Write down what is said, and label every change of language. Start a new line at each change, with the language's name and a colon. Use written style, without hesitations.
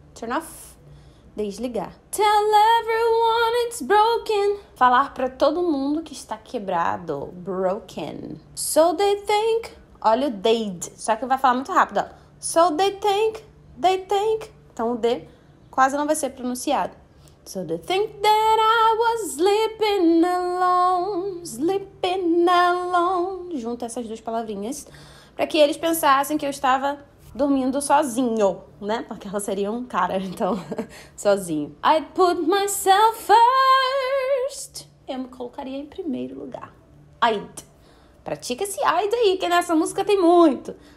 English: Turn off,
Portuguese: desligar.
English: Tell everyone it's broken.
Portuguese: Falar pra todo mundo que está quebrado. Broken.
English: So they think.
Portuguese: Olha o they'd. Só que vai falar muito rápido.
English: So they think.
Portuguese: Então o D quase não vai ser pronunciado.
English: So they think that I was sleeping alone. Sleeping alone.
Portuguese: Junta essas duas palavrinhas. Pra que eles pensassem que eu estava dormindo sozinho, né? Porque ela seria um cara, então, sozinho.
English: I'd put myself first.
Portuguese: Eu me colocaria em primeiro lugar. I'd. Pratica esse I'd aí, que nessa música tem muito.